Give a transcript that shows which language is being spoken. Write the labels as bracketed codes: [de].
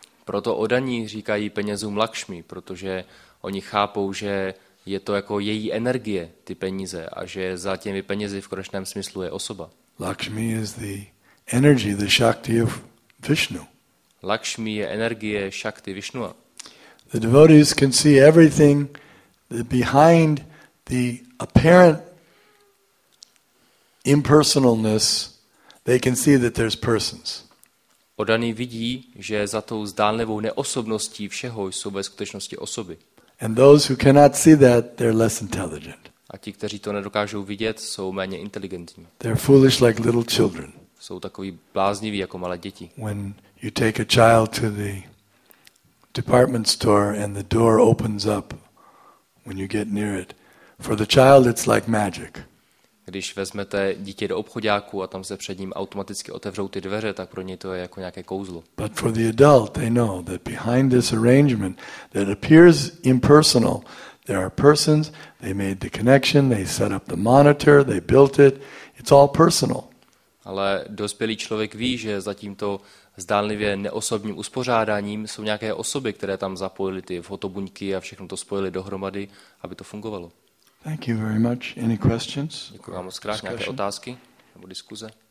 [cs] Proto o daní říkají penězům Lakshmi, protože oni chápou, že je to jako její energie, ty peníze, a že za těmi penězi v konečném smyslu je osoba. [en] Lakshmi is the energy, the Shakti of Vishnu. [cs] Lakshmi je energie Shakti Vishnu. [en] The devotees can see everything behind the apparent impersonalness. They can see that there's persons. [cs] Odaní vidí, že za tou zdánlivou neosobností všeho jsou ve skutečnosti osoby. [en] And those who cannot see that, they're less intelligent. [cs] A ti, kteří to nedokážou vidět, jsou méně inteligentní. [en] They're foolish like little children. [cs] Jsou takový blázniví jako malé děti. [en] When you take a child to the department store and the door opens up when you get near it, for the child it's like magic. [cs] Když vezmete dítě do obchoďáku a tam se před ním automaticky otevřou ty dveře, tak pro něj to je jako nějaké kouzlo. [en] But for the adult, they know that behind this arrangement that appears impersonal, there are persons, they made the connection, they set up the monitor, they built it, it's all personal. [cs] Ale dospělý člověk ví, že za tímto zdánlivě neosobním uspořádáním jsou nějaké osoby, které tam zapojily ty fotobuňky a všechno to spojily dohromady, aby to fungovalo. [en] Thank you very much. Any questions? [cs] Děkuji vám moc krát. Nějaké otázky nebo diskuze?